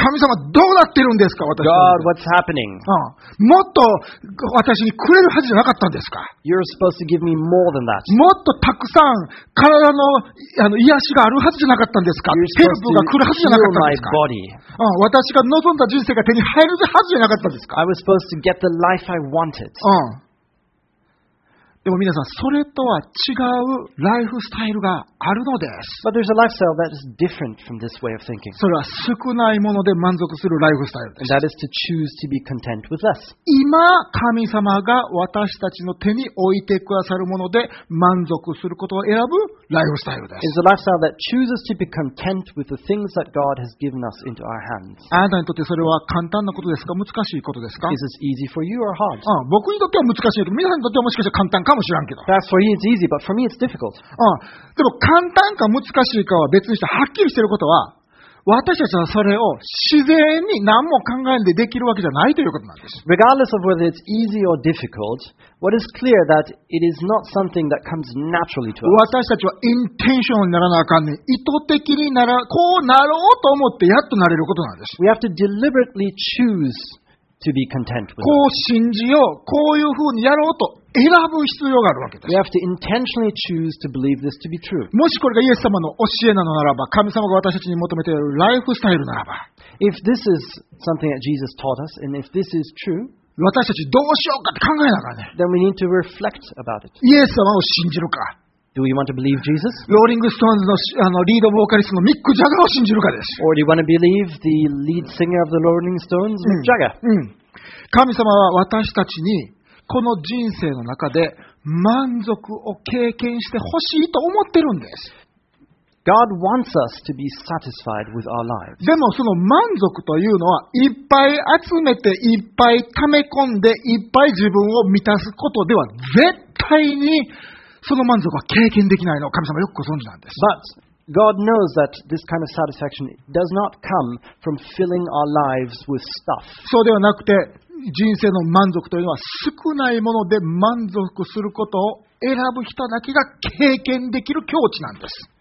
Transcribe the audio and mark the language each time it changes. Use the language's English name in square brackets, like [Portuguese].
[Japanese] 神様どうなってるんですか私。 [English] God, what's happening?、 [Japanese] うん、もっと私にくれるはずじゃなかったんですか。 [English] You're supposed to give me more than that. [Japanese] もっとたくさん体の癒しがあるはずじゃなかったんですか。ヘルプが来るはずじゃなかったんですか。うん、私が望んだ人生が手に入るはずじゃなかったんですか。 [English] I was supposed to get the life I wanted. [Japanese] うん、でも皆さんそれとは違うライフスタイルがあるのです。 [English] But there's a lifestyle that is different from this way of thinking. [Japanese] それは少ないもので満足するライフスタイルです。 [English] And that is to choose to be content with less. [Japanese] 今神様が私たちの手に置いてくださるもので満足することを選ぶライフスタイルです。 [English] It's a lifestyle that chooses to be content with the things that God has given us into our hands. [Japanese] あなたにとってそれは簡単なことですか？難しいことですか？ [English] Is it easy for you or hard? [Japanese] 僕にとっては難しいけど、皆さんにとってはもしかしたら簡単かもしれんけど。 [English] That's for you it's easy, but for me it's difficult. [Japanese] でも簡単か難しいかは別にしてはっきりしていることは私たちはそれを自然に何も考えないでできるわけじゃないということなんです。 [English] Regardless of whether it's easy or difficult, what is clear that it is not something that comes naturally to us. [Japanese] 私たちは intentional にならなあかんね。意図的にならこうなろうと思ってやっとなれることなんです。 [English] We have to deliberately choose to be content with [Japanese] it. こう信じよう、こういうふうにやろうと。選ぶ必要があるわけです。 [English] We have to intentionally choose to believe this to be true. [Japanese] もしこれがイエス様の教えなのならば、神様が私たちに求めているライフスタイルならば、 [English] If this is something that Jesus taught us, and if this is true, [Japanese] 私たちどうしようかって考えながらね。 [English] Then we need to reflect about it. [Japanese] イエス様を信じるか。 [English] Do we want to believe Jesus? [Japanese] ローリングストーンズ のリードボーカリストのミック・ジャガーを信じるかです。 [English] Or do you want to believe the lead singer of the Rolling Stones, Mick Jagger? [Japanese] 神様は私たちに、この人生の中で満足を経験してほしいと思ってるんです。 [English] God wants us to be satisfied with our lives. [Japanese] でもその満足というのはいっぱい集めていっぱい溜め込んでいっぱい自分を満たすことでは絶対にその満足は経験できないの。神様よくご存知なんです。 [English] But God knows that this kind of satisfaction does not come from filling our lives with stuff. [Japanese] そうではなくて、人生の満足というのは少ないもので満足することを選ぶ人だけが経験できる境地なんです。